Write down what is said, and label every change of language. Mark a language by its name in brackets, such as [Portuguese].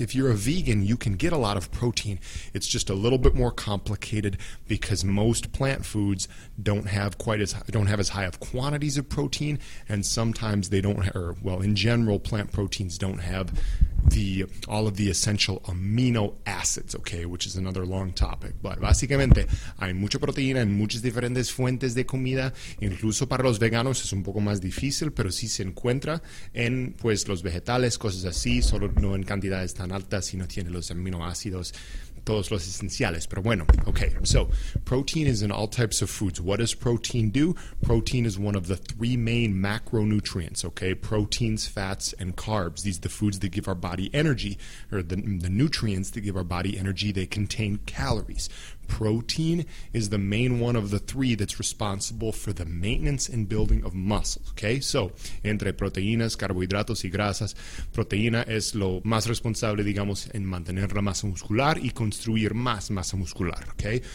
[English] If you're a vegan, you can get a lot of protein. It's just a little bit more complicated because most plant foods don't have as high of quantities of protein. And sometimes they don't, or well, in general, plant proteins don't have all of the essential amino acids, okay, which is another long topic. But [Spanish] básicamente, hay mucha proteína en muchas diferentes fuentes de comida. Incluso para los veganos es un poco más difícil, pero sí se encuentra en, pues, los vegetales, cosas así, solo no en cantidades tan altas, sino tiene los aminoácidos, todos los esenciales. Pero bueno, [English] okay, so protein is in all types of foods. What does protein do? Protein is one of the three main macronutrients, okay? Proteins, fats, and carbs. These are the foods that give our body energy, or the nutrients that give our body energy. They contain calories. Protein is the main one of the three that's responsible for the maintenance and building of muscle, okay? [Spanish] So, entre proteínas, carbohidratos y grasas, proteína es lo más responsable, digamos, en mantener la masa muscular y construir más masa muscular, okay?